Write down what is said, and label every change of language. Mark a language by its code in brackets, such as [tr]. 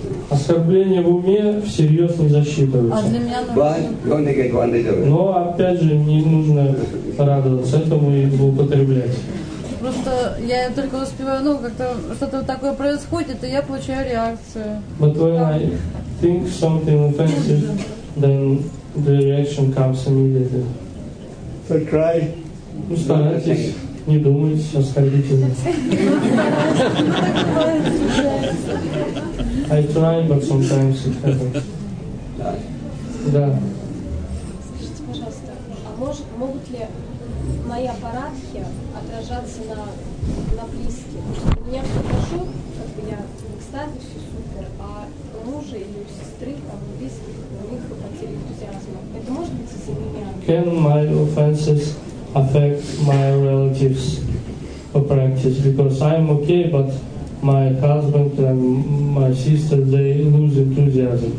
[ru] Оскорбления в уме всерьез не засчитываются. Но опять же, не нужно радоваться этому и злоупотреблять. Просто я только успеваю, как-то что-то такое происходит, и я получаю реакцию. [en] But when I think something offensive, then the reaction comes immediately. So try. [ru] Ну, старайтесь. Не думайте, оскорбительно. [en] I try, but sometimes it happens. [ru] Да. Скажите, пожалуйста, а могут ли мои аппаратхи отражаться на близких? У меня все хорошо, как бы я в экстазе, все супер, а у мужа или у сестры, там, у близких, у них потеря энтузиазма. Это может быть из-за меня? [en] Can my offenses affect my relatives for practice, because I'm okay, but my husband and my sister, they lose enthusiasm.